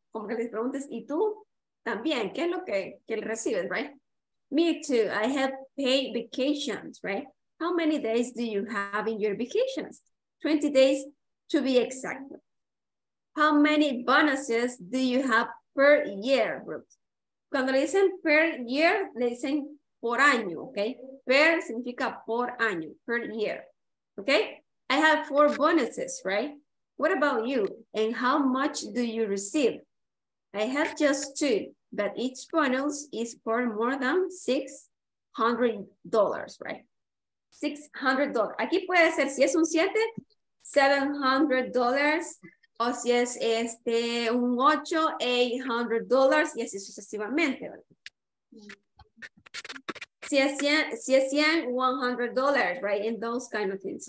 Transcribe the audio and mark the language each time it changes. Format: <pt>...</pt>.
<es>Como que les preguntes, ¿y tú? También, ¿qué es lo que recibes, right?</es> <en>Me too. I have paid vacations, right? How many days do you have in your vacations? 20 days to be exact. How many bonuses do you have per year, Ruth?</en> <es>Cuando le dicen per year, le dicen por año, okay? Per significa por año, per year, okay?</es> <en>I have 4 bonuses, right? What about you? And how much do you receive? I have just 2, but each bonus is for more than $600, right? $600.</en> <es>Aquí puede ser, si es un 7, $700, o si es un 8, $800, y así sucesivamente, ¿verdad? Si es 100, $100, right?</es> <en>In those kind of things.</en>